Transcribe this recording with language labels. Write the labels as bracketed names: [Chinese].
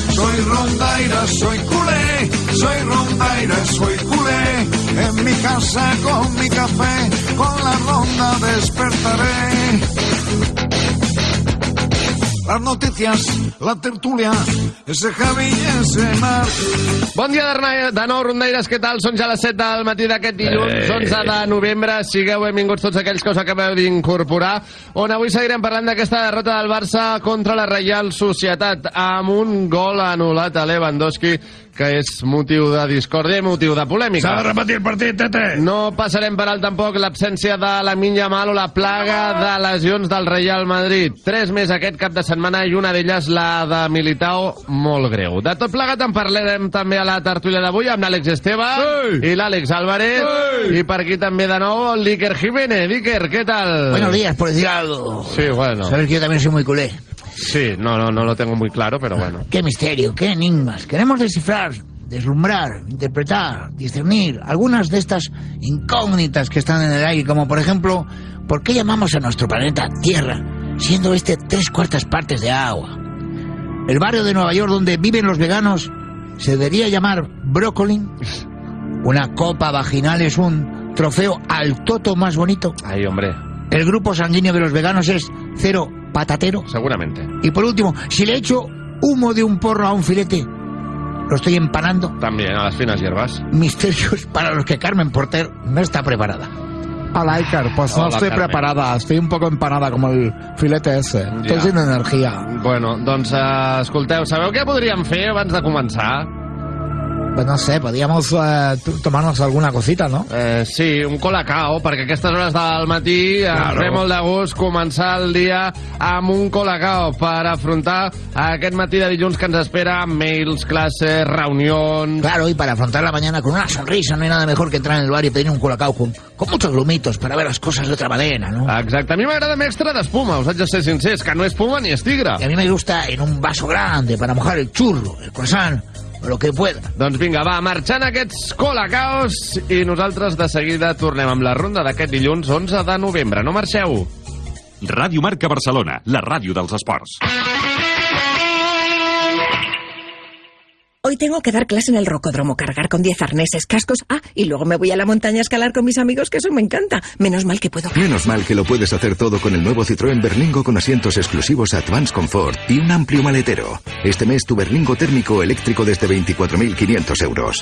[Spanish] Soy rondaira, soy culé, soy rondaira, soy culé. En mi casa con mi café, con la ronda despertaré. Las noticias, la tertulia, ese Javi y ese Mar. [Catalan] Bon dia de nou, rondaires, què tal? Són ja les 7 del matí d'aquest dilluns, 11 de novembre. Sigueu benvinguts tots aquells que us acabeu d'incorporar. On avui seguirem parlant d'aquesta derrota del Barça contra la Reial Societat amb un gol anul·lat a Lewandowski, que és motiu de discòrdia i motiu de polèmica. S'ha de repetir el partit, Tete! No passarem per alt tampoc l'absència de Lamine Yamal o la plaga de lesions del Real Madrid. 3 més aquest cap de setmana i una d'elles la de Militao, molt greu. De tot plegat en parlarem també a la tertúlia d'avui amb l'Àlex Esteve sí. i l'Àlex Álvarez sí. i per aquí també de nou l'Iker Jiménez. Iker, què tal? [Spanish] Buenos días, policiado. Sí, bueno. Sabes que yo también soy muy culé. Sí, no lo tengo muy claro, pero bueno. Qué misterio, qué enigmas. Queremos descifrar, deslumbrar, interpretar, discernir algunas de estas incógnitas que están en el aire, como por ejemplo, ¿por qué llamamos a nuestro planeta Tierra, siendo este 3/4 partes de agua? ¿El barrio de Nueva York donde viven los veganos se debería llamar brócoli? ¿Una copa vaginal es un trofeo al toto más bonito? Ay, hombre. ¿El grupo sanguíneo de los veganos es cero patatero? Seguramente. Y por último, si le echo humo de un porro a un filete, ¿lo estoy empanando? También, a las finas hierbas. Misterios para los que Carmen Porter no está preparada. Hola, Iker, pues hola, no estoy Carmen. Preparada, estoy un poco empanada como el filete ese, estoy ya. Sin energía. [Catalan] Bueno, doncs, escolteu, ¿sabeu què podríem fer abans de començar? [Spanish] Pues no sé, podríamos tomarnos alguna cosita, ¿no? [Catalan] Sí, un Colacao, perquè aquestes hores del matí claro. Ens molt de gust començar el dia amb un Colacao per afrontar aquest matí de dilluns que ens espera, mails, classes, reunions... [Spanish] Claro, y para afrontar la mañana con una sonrisa, no hay nada mejor que entrar en el bar y pedir un Colacao con muchos glumitos para ver las cosas de otra manera, ¿no? [Catalan] Exacte, a mi m'agrada més extra d'espuma, us haig de ser sincers, que no és espuma ni és tigre. [Spanish] Y a mi me gusta en un vaso grande para mojar el churro, el croissant... Lo que pueda. [Catalan] Doncs vinga, va, marxant aquests Colacaos i nosaltres de seguida tornem amb la ronda d'aquest dilluns 11 de novembre. No marxeu. Ràdio Marca Barcelona, la ràdio dels esports. [Spanish] Hoy tengo que dar clase en el rocódromo, cargar con 10 arneses, cascos, y luego me voy a la montaña a escalar con mis amigos, que eso me encanta. Menos mal que puedo... Menos mal que lo puedes hacer todo con el nuevo Citroën Berlingo con asientos exclusivos Advanced Comfort y un amplio maletero. Este mes tu Berlingo térmico eléctrico desde 24.500 euros.